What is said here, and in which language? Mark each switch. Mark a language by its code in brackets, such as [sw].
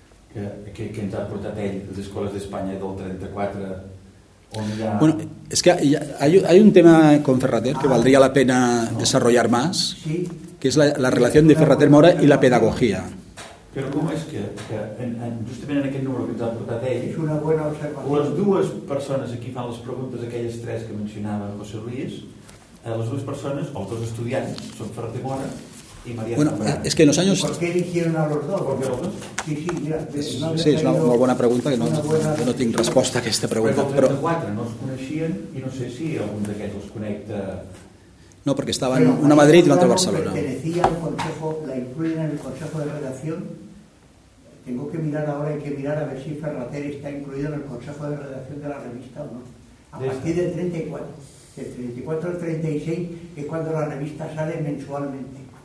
[ca] ¿Que ens ha portat ell a les escoles d'Espanya del 34... [es] Bueno, es que hay un tema con Ferrater que valdría la pena desarrollar más, que es la relación de Ferrater Mora y la pedagogía. [ca] Però com és que justament en aquest número que ens ha portat ell, és una bona observació. Les dues persones a qui fan les preguntes, aquelles tres que mencionava José Luis, les dues persones, o els dos estudiants, són Ferrat de Mora i Maria bueno, Tamarán. És que en els anys... Per què [es] eligieron a los dos? Porque... Sí, sí, mira, [ca] és, no sí, és una molt bona pregunta, que no, buena... no tinc resposta a aquesta pregunta. Però els 34 però... no els coneixien i no sé si algun d'aquests els connecta... No, perquè estaven una a Madrid i una altra a Barcelona. [es] Pertenecía al consejo, la incluyen en el consejo de redacción. Tengo que mirar ahora, hay que mirar a ver si Ferrater está incluido en el consejo de redacción de la revista o no. A partir del 34, del 34 al 36 es cuando la revista sale mensualmente.